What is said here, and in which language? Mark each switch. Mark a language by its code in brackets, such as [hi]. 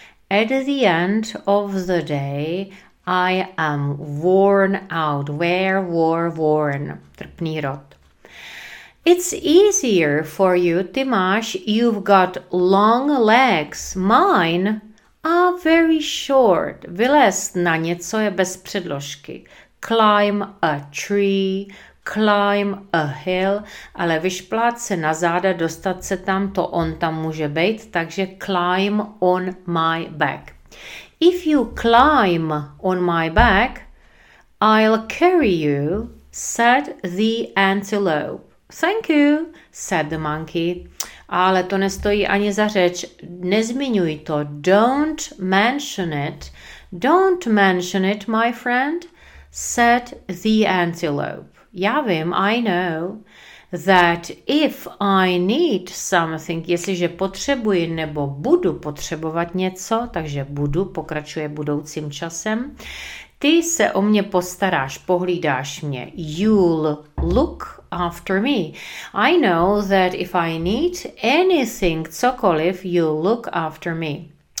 [en] At the end of the day, I am worn out. Worn. [cs] Trpný rod. [en] It's easier for you, [cs] ty máš, [en] you've got long legs. Mine are very short. [cs] Vylézt na něco je bez předložky. [en] Climb a tree, climb a hill, [cs] ale vyšplát se na záda, dostat se tam, to on tam může být, takže [en] climb on my back. If you climb on my back, I'll carry you, said the antelope. Thank you, said the monkey. [cs] Ale to nestojí ani za řeč. Nezmiňuj to. [en] Don't mention it. Don't mention it, my friend, said the antelope. [cs] Já vím, [en] I know, [cs] that if I need something, jestliže potřebuji nebo budu potřebovat něco, takže budu, pokračuje budoucím časem, ty se o mě postaráš, pohlídáš mě. [en] You'll look after me. I know that if I need anything, [cs] cokoliv, [en] you'll look after me.